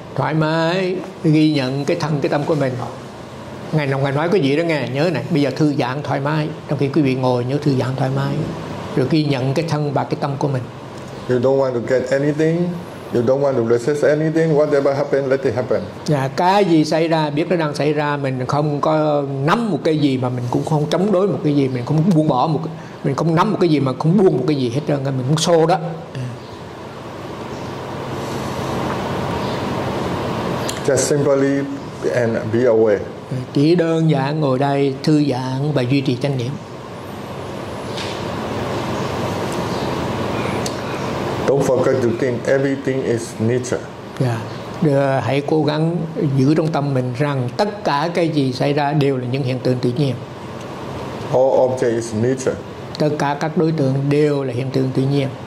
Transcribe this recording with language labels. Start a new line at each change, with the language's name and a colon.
Vietnamese: Thoải mái ghi nhận cái thân cái tâm của mình. Ngày nào ngày nói cái gì đó nghe nhớ này. Bây giờ thư giãn thoải mái. Trong khi quý vị ngồi nhớ thư giãn thoải mái. Rồi ghi nhận cái thân và cái tâm của mình.
English: You don't want to get anything. You don't want to resist anything. Whatever happens, let it happen.
Vietnamese: Yeah, cái gì xảy ra, biết nó đang xảy ra, mình không có nắm một cái gì mà mình cũng không chống đối một cái gì, mình không buông bỏ một, mình không nắm một cái gì mà không buông một cái gì hết trơn, mình muốn xô đó.
English: Just simply and be aware.
Vietnamese: Chỉ đơn giản ngồi đây thư giãn và duy trì chánh niệm.
English: Don't forget to think everything is nature. Yeah.
Vietnamese: Hãy cố gắng giữ trong tâm mình rằng tất cả cái gì xảy ra đều là những hiện tượng tự nhiên.
English: All objects is nature.
Vietnamese: Tất cả các đối tượng đều là hiện tượng tự nhiên.